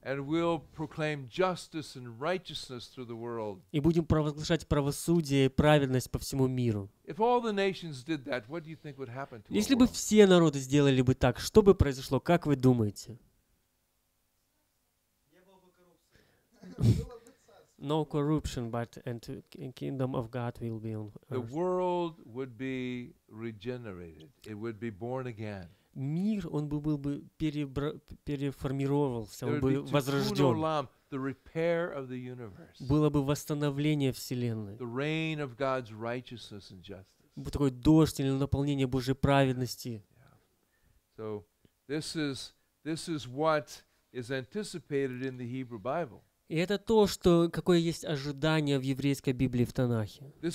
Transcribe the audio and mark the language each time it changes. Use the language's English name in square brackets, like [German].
[Russian] И будем провозглашать правосудие и праведность по всему миру. Если бы все народы сделали бы так, что бы произошло, как вы думаете? [English] No corruption, but and kingdom of God will be on earth. The world would be regenerated. It would be born again. [Russian] Мир, он бы был бы переформировался, он бы возрожден. [English] The repair of the universe. [Russian] Было бы восстановление вселенной. [English] The reign of God's righteousness and justice. [Russian] Такой дождь или наполнение Божьей праведности. [English] So this is what is anticipated in the Hebrew Bible. [Russian] И это то, что какое есть ожидание в еврейской Библии в Танахе.